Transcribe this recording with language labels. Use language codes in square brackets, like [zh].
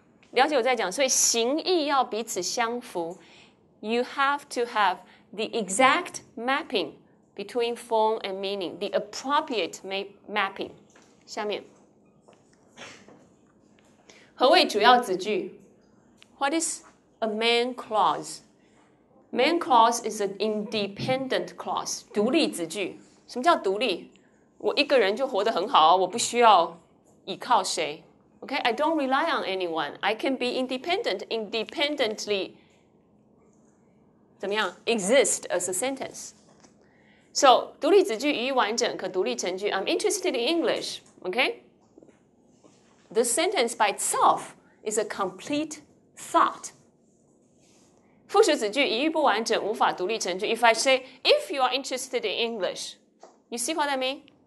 [zh] 了解我在讲，所以形意要彼此相符。 [en] You have to have the exact mapping between form and meaning, the appropriate mapping. [zh] 下面。何谓主要子句？ [en] What is a main clause? Main clause is an independent clause, [zh] 独立子句。什么叫独立？我一个人就活得很好，我不需要依靠谁。 [en] Okay, I don't rely on anyone. I can be independently, [zh] 怎么样 [en] exist as a sentence. [zh] So, 独立子句予以完整，可独立成句。 [en] I'm interested in English. Okay, the sentence by itself is a complete thought. [zh] 附属子句予以不完整，无法独立成句。 [en] If I say, if you are interested in English, you see what I mean?